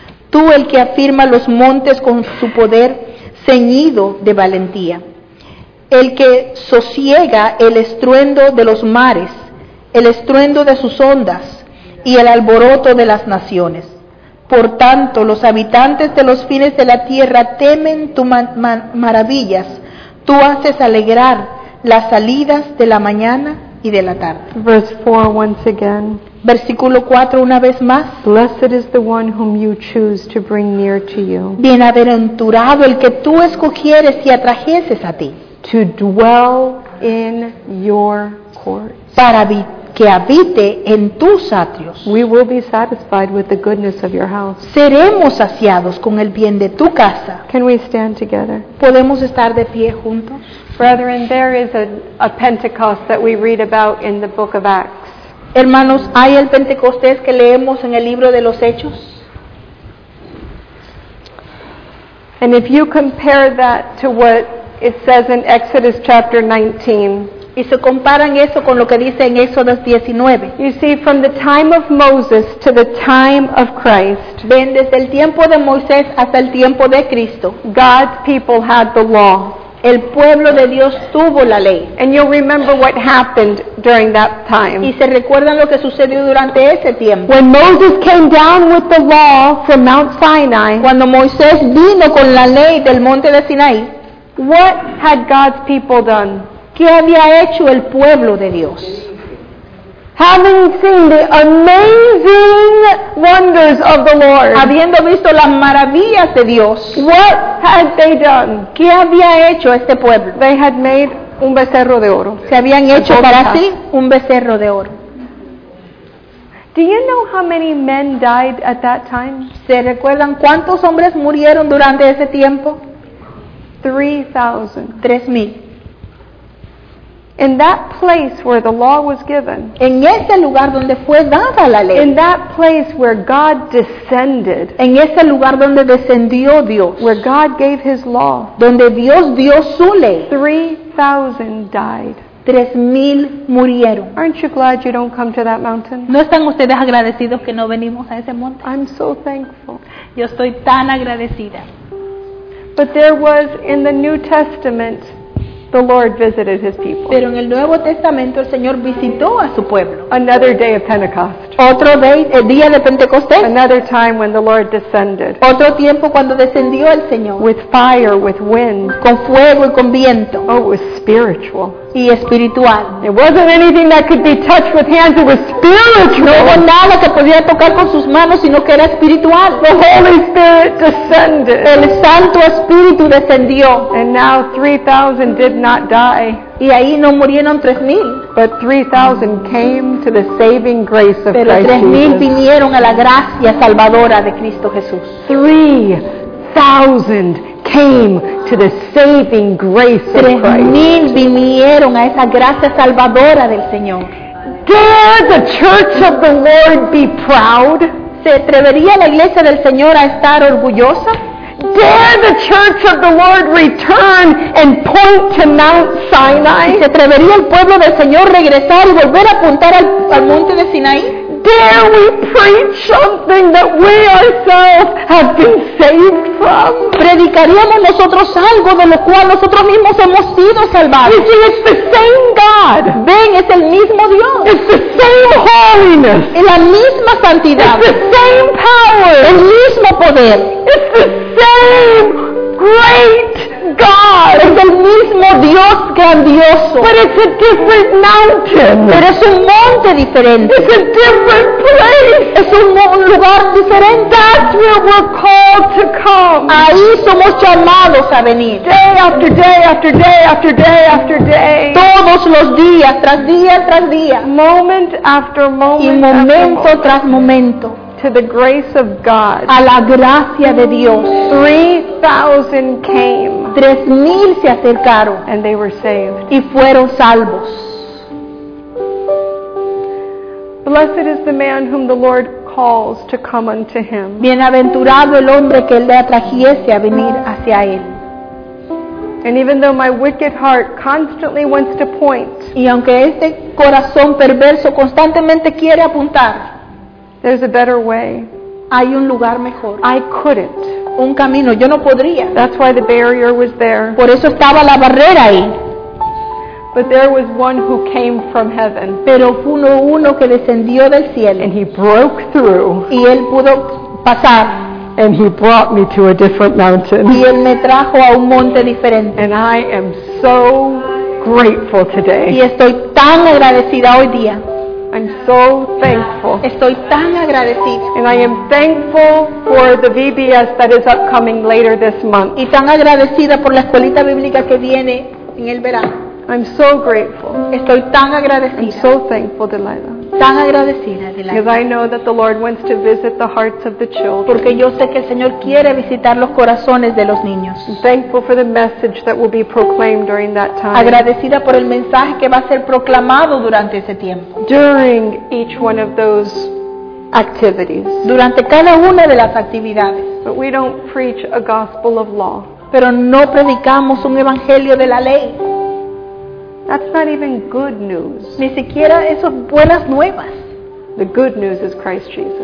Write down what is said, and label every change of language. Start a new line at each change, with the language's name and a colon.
Spanish: Tú el que afirma los montes con su poder, ceñido de valentía, el que sosiega el estruendo de los mares, el estruendo de sus ondas y el alboroto de las naciones. Por tanto, los habitantes de los fines de la tierra temen tus maravillas. Tú haces alegrar las salidas de la mañana y de la tarde.
English: Verse 4 once again.
Spanish: Versículo 4 una vez más.
English: Blessed is the one whom you choose to bring near to you.
Spanish: Bienaventurado el que tú escogieres y atrajeses a ti.
English: To dwell in your courts.
Spanish: Para que habite en tus atrios.
English: We will be satisfied with the goodness of your house.
Spanish: Seremos saciados con el bien de tu casa.
English: Can we stand together?
Spanish: ¿Podemos estar de pie juntos?
English: Brethren, there is a Pentecost that we read about in the book of Acts.
Spanish: Hermanos, ¿hay el Pentecostés que leemos en el libro de los Hechos?
English: And if you compare that to what it says in Exodus chapter 19,
Spanish: Y se comparan eso con lo que dice en Éxodo 19.
English: You see, from the time of Moses to the time of Christ.
Spanish: Ven, desde el tiempo de Moisés hasta el tiempo de Cristo.
English: God's people had the law.
Spanish: El pueblo de Dios tuvo la ley.
English: And you'll remember what happened during that time.
Spanish: Y se recuerdan lo que sucedió durante ese tiempo.
English: When Moses came down with the law from Mount Sinai.
Spanish: Cuando Moisés vino con la ley del monte de Sinaí.
English: What had God's people done?
Spanish: ¿Qué había hecho el pueblo de Dios?
English: Having seen the amazing wonders of the Lord.
Spanish: Habiendo visto las maravillas de Dios.
English: What had they done?
Spanish: ¿Qué había hecho este pueblo?
English: They had made
Spanish: un becerro de oro. Se habían hecho para sí un becerro de oro.
English: Do you know how many men died at that time?
Spanish: ¿Se recuerdan cuántos hombres murieron durante ese tiempo?
English: 3,000.
Spanish: 3,000.
English: In that place where the law was given.
Spanish: En ese lugar donde fue dada la ley.
English: In that place where God descended.
Spanish: En ese lugar donde descendió Dios.
English: Where God gave His law.
Spanish: Donde Dios dio su ley.
English: 3,000 died.
Spanish: 3,000 murieron.
English: Aren't you glad you don't come to that mountain?
Spanish: ¿No están ustedes agradecidos que no venimos a ese monte?
English: I'm so thankful.
Spanish: Yo estoy tan agradecida.
English: But there was in the New Testament. The Lord visited His people.
Spanish: Pero en el Nuevo Testamento el Señor visitó a su pueblo.
English: Another day of Pentecost.
Spanish: Otro día de Pentecostés.
English: Another time when the Lord descended.
Spanish: Otro tiempo cuando descendió el Señor.
English: With fire, with wind.
Spanish: Con fuego y con viento.
English: Oh, it was spiritual.
Spanish: Y espiritual.
English: It wasn't anything that could be touched with hands. It was spiritual.
Spanish: No era nada que podía tocar con sus manos, sino que era espiritual.
English: The Holy Spirit descended.
Spanish: El Santo Espíritu descendió.
English: And now 3,000 did not die. Y ahí no murieron 3,000. But 3,000 came to the saving grace of Christ Jesus.
Spanish: Pero 3,000 vinieron a la gracia salvadora de Cristo Jesús.
English: 3,000 came to the saving grace of Christ.
Spanish: 3,000 vinieron a esa gracia salvadora del Señor.
English: Dare the church of the Lord be proud?
Spanish: ¿Se atrevería la iglesia del Señor a estar orgullosa?
English: Dare the church of the Lord return and point to Mount Sinai?
Spanish: ¿Se atrevería el pueblo del Señor regresar y volver a apuntar al monte de Sinaí?
English: Dare we preach something that we ourselves have been saved from?
Spanish: ¿Predicaríamos nosotros algo de lo cual nosotros mismos hemos sido salvados?
English: You see, it's the same God.
Spanish: Ven, es el mismo Dios.
English: It's the same holiness.
Spanish: Es la misma santidad.
English: It's the same power.
Spanish: El mismo poder.
English: It's the same great God.
Spanish: Es el mismo Dios grandioso.
English: But it's a different mountain.
Spanish: Pero es un monte diferente.
English: It's a different place.
Spanish: Es un lugar diferente.
English: That's where we're called to come.
Spanish: Ahí somos llamados a venir.
English: Day after day after day after day after day.
Spanish: Todos los días, tras día tras día.
English: Moment after moment.
Spanish: Y momento tras momento.
English: To the grace of God.
Spanish: A la gracia de Dios.
English: 3,000 came.
Spanish: 3,000 se acercaron.
English: And they were saved.
Spanish: Y fueron salvos.
English: Blessed is the man whom the Lord calls to come unto him.
Spanish: Bienaventurado el hombre que le atrajiese a venir hacia él.
English: And even though my wicked heart constantly wants to point.
Spanish: Y aunque este corazón perverso constantemente quiere apuntar.
English: There's a better way.
Spanish: Hay un lugar mejor.
English: I couldn't.
Spanish: Un camino. Yo no podría.
English: That's why the barrier was there.
Spanish: Por eso estaba la barrera ahí.
English: But there was one who came from heaven.
Spanish: Pero hubo uno que descendió del cielo.
English: And he broke through.
Spanish: Y él pudo pasar.
English: And he brought me to a different mountain.
Spanish: Y él me trajo a un monte diferente.
English: And I am so grateful today.
Spanish: Y estoy tan agradecida hoy día.
English: I'm so thankful.
Spanish: Estoy tan agradecida.
English: And I am thankful for the VBS that is upcoming later this month.
Spanish: Y tan agradecida por la escuelita bíblica que viene en el verano.
English: I'm so grateful.
Spanish: Estoy tan agradecida.
English: I'm so thankful, Delilah.
Spanish: Tan agradecida, Delilah.
English: Because I know that the Lord wants to visit the hearts of the children.
Spanish: Porque yo sé que el Señor quiere visitar los corazones de los niños.
English: I'm thankful for the message that will be proclaimed during that time.
Spanish: Agradecida por el mensaje que va a ser proclamado durante ese tiempo.
English: During each one of those activities.
Spanish: Durante cada una de las actividades.
English: But we don't preach a gospel of law.
Spanish: Pero no predicamos un evangelio de la ley.
English: That's not even good news.
Spanish: Ni siquiera esas buenas nuevas.
English: The good news is Christ Jesus.